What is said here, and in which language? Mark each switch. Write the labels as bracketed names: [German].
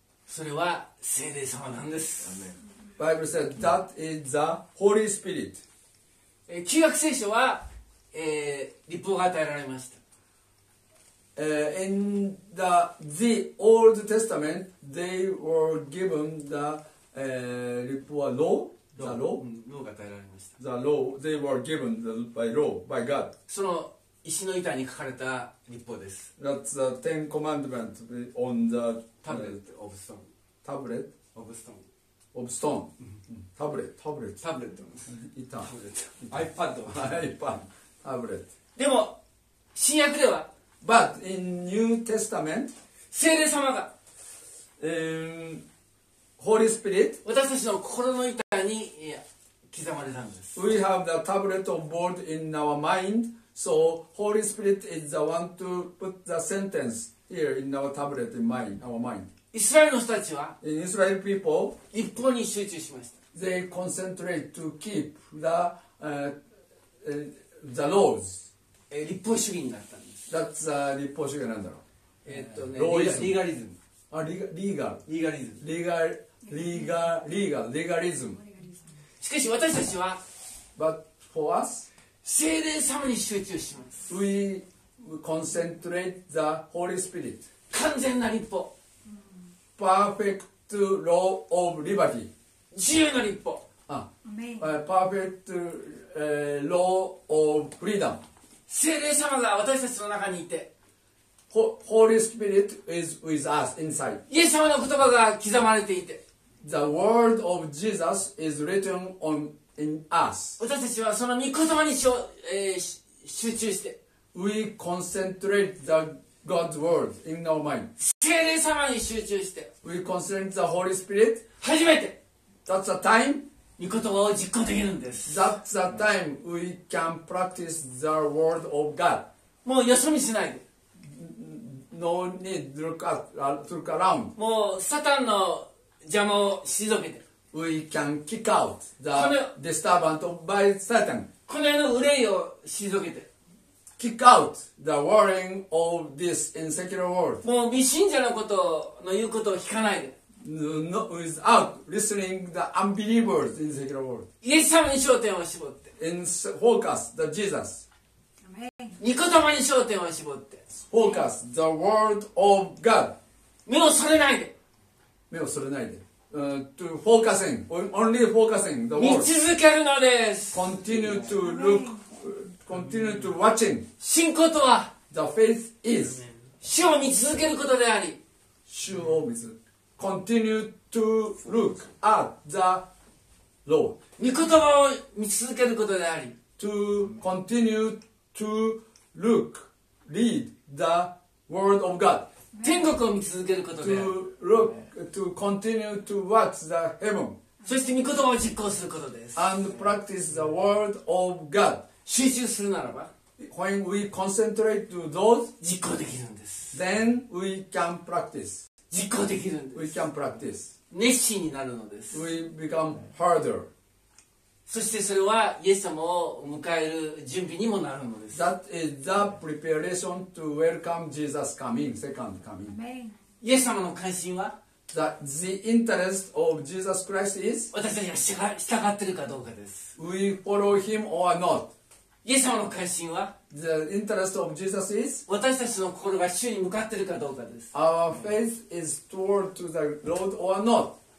[Japanese] それは聖霊様なんです。 [English] Amen. Bible says that is the Holy Spirit. [Japanese] 旧約聖書は、立法が与えられました。 [English] In the Old Testament, they were given the Lipua law, the law. [Japanese] Law が与えられました。 [English] The law, they were given the, by law, by God. [Japanese] その石の板に書かれた立法です。 [English] That's the Ten Commandments on the tablet of stone. Tablet of stone. Of stone. Tablet. Tablet. Tablet. [Japanese] 板。 [English] Tablet. iPad. iPad. Tablet. [Japanese] でも新約では。 [English] But in New Testament, [Japanese] 聖霊様が、 [English] Holy Spirit, [Japanese] 私たちの心の板に刻まれたんです。 [English] We have the tablet of board in our mind, so Holy Spirit is the one to put the sentence here in our tablet in mind, our mind. [Japanese] イスラエルの人たちは、 [English] In Israel people, [Japanese] 一方に集中しました。 [English] They concentrate to keep the laws. [Japanese] 立法主義になったんです。 [English] That's a [Japanese] 立法主義なんだろう。ね、リーガリズム。あ、リーガル。リーガリズム。リーガリーガリーガリーガリズム。しかし私たちは、 [English] But for us, [Japanese] 聖霊様に集中します。 [English] We concentrate the Holy Spirit. [Japanese] 完全な立法。 [English] Perfect law of liberty. [Japanese] 自由の立法。 [English] あ、Perfect law of freedom. [Japanese] 聖霊様が私たちの中にいて [English] Holy Spirit is with us inside. [Japanese] イエス様の言葉が刻まれていて [English] The word of Jesus is written on in us. [Japanese] 私たちはその御言葉に、集中して [English] We concentrate the God's word in our mind. [Japanese] 聖霊様に集中して [English] We concentrate the Holy Spirit. [Japanese] 初めて [English] That's the time. [Japanese] 御言葉を実行できるんです。 [English] That's the time we can practice the word of God. [Japanese] もうよそ見しないで。 [English] No need to look around. [Japanese] もうサタンの邪魔を退けて。 [English] We can kick out the disturbance by Satan. [Japanese] この世の憂いを退けて。 [English] Kick out the worrying of this insecure world. [Japanese] もう未信者のことの言うことを聞かないで。 [English] No, without listening the unbelievers in the secular world. [Japanese] イエス様に焦点を絞って。 [English] And focus the Jesus. [Japanese] 御言葉に焦点を絞って。 [English] Focus the word of God. [Japanese] 目をそれないで。目をそれないで。 [English] To focusing, only focusing the word. [Japanese] 見続けるのです。 [English] Continue to look, continue to watching. [Japanese] 信仰とは。 [English] The faith is. [Japanese] 主を見続けることであり。主を見続ける。 [English] Continue to look at the law. [Japanese] 御言葉を見続けることであり。 [English] To continue to look, read the word of God. [Japanese] 天国を見続けることである。 [English] To look, to continue to watch the heaven. [Japanese] そして御言葉を実行することです。 [English] And practice the word of God. [Japanese] 集中するならば。 [English] When we concentrate to those, [Japanese] 実行できるんです。 [English] Then we can practice. [Japanese] 実行できるんです。 [English] We can practice. [Japanese] 熱心になるのです。 [English] We become harder. [Japanese] そしてそれはイエス様を迎える準備にもなるのです。 [English] That is the preparation to welcome Jesus coming, second coming. [Japanese] イエス様の関心は [English] The interest of Jesus Christ is [Japanese] 私たちが従っているかどうかです。 [English] We follow him or not. [Japanese] イエス様の関心は [English] The interest of Jesus is [Japanese] 私たちの心が主に向かっているかどうかです。 [English] Our faith is toward to the Lord or not?